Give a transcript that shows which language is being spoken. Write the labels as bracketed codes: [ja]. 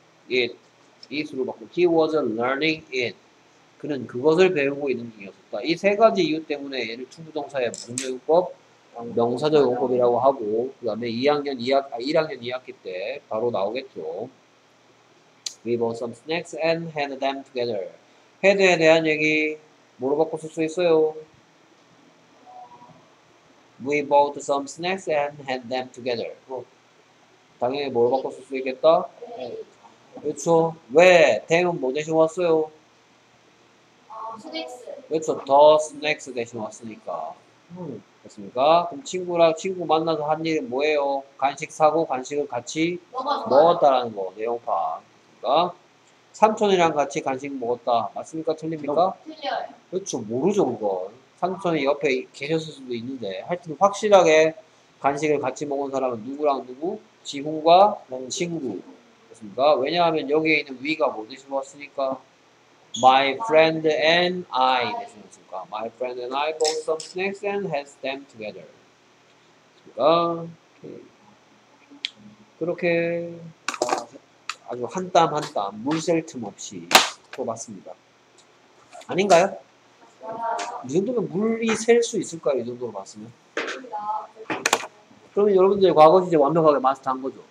[en] It. It으로 바꿀. He was learning it. [ko] 그는 그것을 배우고 있는 중이었다. 이 세 가지 이유 때문에 얘를 투부동사의 문명법, 명사적 용법이라고 하고, 그 다음에 1학년 2학기 때 바로 나오겠죠. [en] We bought some snacks and had them together. [ko] 헤드에 대한 얘기 뭐로 바꿔 쓸 수 있어요? [en] We bought some snacks and had them together. [ko] 당연히 뭐로 바꿔 쓸 수 있겠다? 그렇죠. 왜? 댐은 뭐 대신 왔어요? 스낵스. 그렇죠. 더 스낵스 대신 왔으니까. 됐습니까? 그럼 친구 만나서 한 일은 뭐예요? 간식 사고 간식을 같이 먹었다라는 거, 내용파. 그러니까 삼촌이랑 같이 간식 먹었다. 맞습니까? 틀립니까? 틀려요. 그렇죠. 모르죠, 그건. 삼촌이 옆에 계셨을 수도 있는데. 하여튼 확실하게 간식을 같이 먹은 사람은 누구랑 누구? 지훈과 친구. 됐습니까? 왜냐하면 여기에 있는 위가 뭐 대신 왔으니까. [en] My friend and I. 됐습니까? My friend and I bought some snacks and had them together. [ko] 됐습니까? 그렇게 아주 한땀한땀 물샐틈 없이 뽑았습니다. 아닌가요? 이 정도면 물이 셀 수 있을까요? 이 정도로 봤으면. 그러면 여러분들 과거 시제 완벽하게 마스터한 거죠?